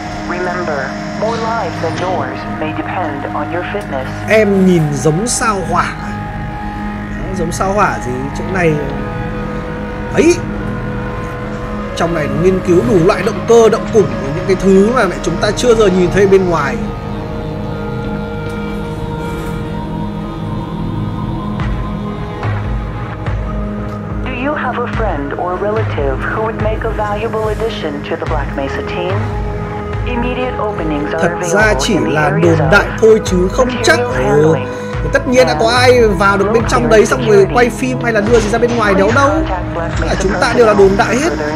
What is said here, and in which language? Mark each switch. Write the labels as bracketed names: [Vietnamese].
[English] Remember, more lives than yours may depend on your fitness. [Vietnamese] Em nhìn giống sao hỏa. Giống sao hỏa gì chỗ này ấy, trong này nghiên cứu đủ loại động cơ động củng và những cái thứ mà mẹ chúng ta chưa giờ nhìn thấy bên ngoài. [English] Do you have a friend or relative who would make a valuable addition to the Black Mesa team? Immediate openings are available. [Vietnamese] Thật ra chỉ là đồn đại thôi chứ không chắc. Tất nhiên đã có ai vào được bên trong đấy xong rồi quay phim hay là đưa gì ra bên ngoài đéo đâu. Cả chúng ta đều là đồn đại hết.